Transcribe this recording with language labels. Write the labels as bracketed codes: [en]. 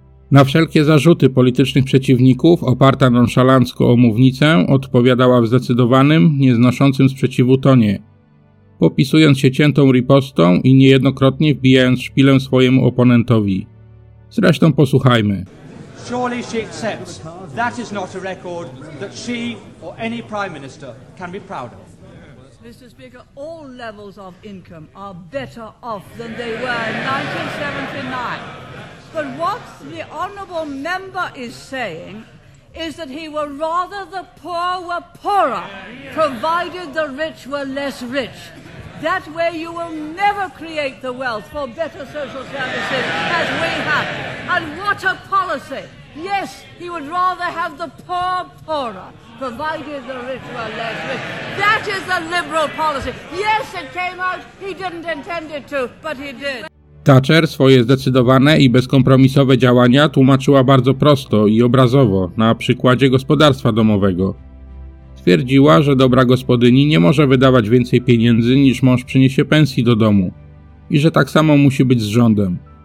[pl] Na wszelkie zarzuty politycznych przeciwników, oparta nonszalancko o mównicę, odpowiadała w zdecydowanym, nieznoszącym sprzeciwu tonie, popisując się ciętą ripostą i niejednokrotnie wbijając szpilę swojemu oponentowi. Zresztą posłuchajmy. [en] Surely she accepts that is not a record that she or any prime minister can be proud of. Mr. Speaker, all levels of income are better off than they were in 1979. But what the honourable member is saying is that he would rather the poor were poorer, provided the rich were less rich. That way you will never create the wealth for better social services as we have. And what a policy! Yes, he would rather have the poor poorer, provided the rich were less rich. That is a liberal policy. Yes, it came out. He didn't intend it to, but he did. [pl] Thatcher swoje zdecydowane i bezkompromisowe działania tłumaczyła bardzo prosto i obrazowo, na przykładzie gospodarstwa domowego. Twierdziła, że dobra gospodyni nie może wydawać więcej pieniędzy niż mąż przyniesie pensji do domu i że tak samo musi być z rządem.